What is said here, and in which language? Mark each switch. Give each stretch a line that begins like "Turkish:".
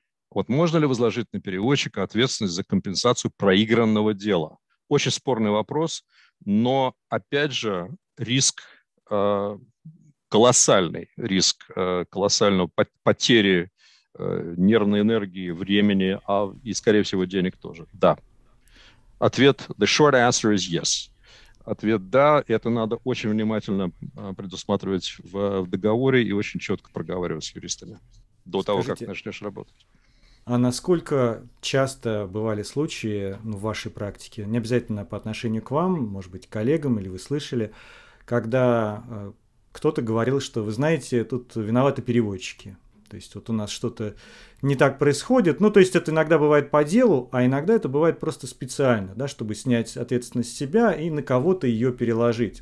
Russian: Вот можно ли возложить на переводчика ответственность за компенсацию проигранного дела? Очень спорный вопрос, но, опять же, риск колоссальный, риск колоссального потери нервной энергии, времени, а и, скорее всего, денег тоже. Да. Ответ,
English: the short answer is yes.
Russian: Ответ да, это надо очень внимательно предусматривать в договоре и очень четко проговаривать с юристами до того, как начнешь работать. А насколько часто бывали случаи в вашей практике, не обязательно по отношению к вам, может быть, коллегам, или вы слышали, когда кто-то говорил, что, вы знаете, тут виноваты переводчики, то есть вот у нас что-то не так происходит, ну, то есть это иногда бывает по делу, а иногда это бывает просто специально, да, чтобы снять ответственность с себя и на кого-то ее переложить.